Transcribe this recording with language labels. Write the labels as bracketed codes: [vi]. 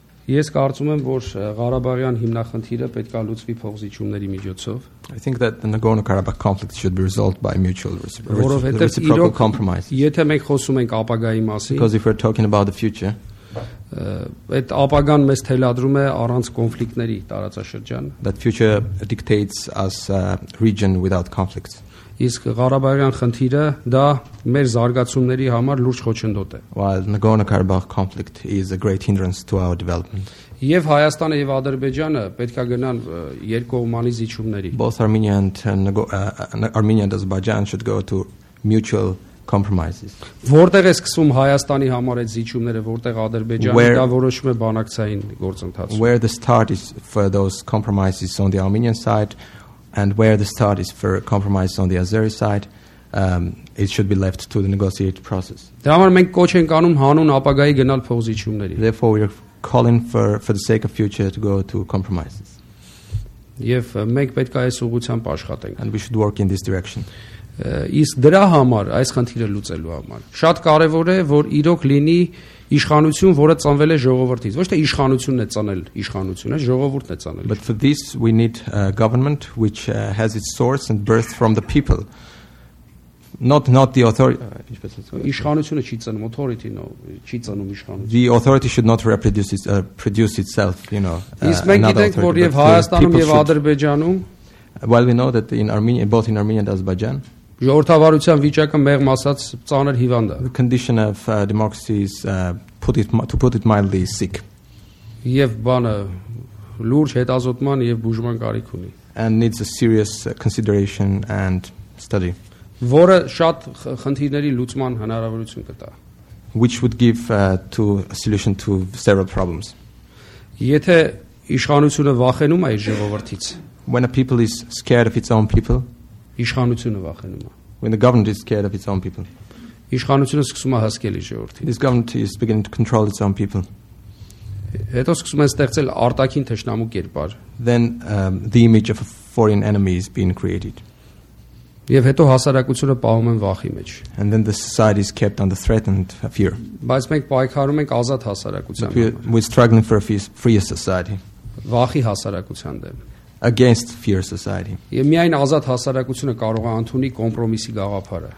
[hy] Ես կարծում եմ, որ Ղարաբաղյան հիմնախնդիրը պետք է լուծվի փոխզիջումների միջոցով. [en] I think that the Nagorno-Karabakh conflict should be resolved by mutual reciprocal compromise. [hy] Եթե մենք խոսում ենք ապագայի մասին, [en] because if we're talking about the future, [hy] այդ ապագան մեզ թելադրում է առանց կոնֆլիկտների տարածաշրջան. [en] That future dictates us a region without conflicts. [hy] Իսկ Ղարաբաղյան խնդիրը դա մեր զարգացումների համար լուրջ խոչընդոտ է։ [en] While the Nagorno-Karabakh conflict is a great hindrance to our development. [hy] Եվ Հայաստանը եւ Ադրբեջանը պետք է գնան երկկողմանի զիջումների։ [en] Both Armenia and Armenia and Azerbaijan should go to mutual compromises. [hy] Որտեղ է սկսվում Հայաստանի համար այդ զիջումները, որտեղ Ադրբեջանը դա որոշում է բանակցային գործընթացում։ [en] Where the start is for those compromises on the Armenian side, and where the start is for compromise on the Azeri side, it should be left to the negotiated process. Therefore, we are calling for the sake of future to go to compromises. And we should work in this direction. [hy] Իսկ դրա համար այս խնդիրը լուծելու համար շատ կարևոր է, որ իրոք լինի իշխանություն, որը ծնվել է ժողովրդից, ոչ թե իշխանությունն է ծնել իշխանությունը, ժողովուրդն է ծնել։ [en] But for this we need a government which has its source and birth from the people, not the authority. [hy] Իշխանությունը չի ծնում, [en] authority, no, [hy] չի ծնում իշխանությունը։ [en] The authority should not reproduce its, produce itself, you know. [hy] Իսկ մենք գիտենք, որ եւ Հայաստանում եւ Ադրբեջանում, [en] while we know that in Armenia, both in Armenia and Azerbaijan, [hy] ժողովրդավարության վիճակը մեղմ ասած ծանր հիվանդ է. [en] The condition of democracy is, to put it mildly, sick. [hy] Եվ բանը լուրջ հետազոտման եւ բուժման կարիք ունի. [en] And needs a serious consideration and study. [hy] Որը շատ խնդիրների լուծման հնարավորություն կտա. [en] Which would give to a solution to several problems. [hy] Եթե իշխանությունը վախենում է իր ժողովրդից, [en] when a people is scared of its own people, [hy] իշխանությունը վախենում է. [en] When the government is scared of its own people, [hy] իշխանությունը սկսում է հասկել իր ժողովրդին. [en] This government is beginning to control its own people. [hy] Հետո սկսում են ստեղծել արտաքին թշնամու կերպար. [en] Then the image of a foreign enemy is being created. [hy] Եվ հետո հասարակությունը պահում են վախի մեջ։ [en] And then the society is kept under threat and fear. [hy] Բայց մենք պայքարում ենք ազատ հասարակության համար. [en] We're struggling for a free society. [hy] Վախի հասարակության դեմ. [en] Against fear society. [hy] Եմ միայն ազատ հասարակությունը կարող է ընդունի կոմպրոմիսի գաղափարը.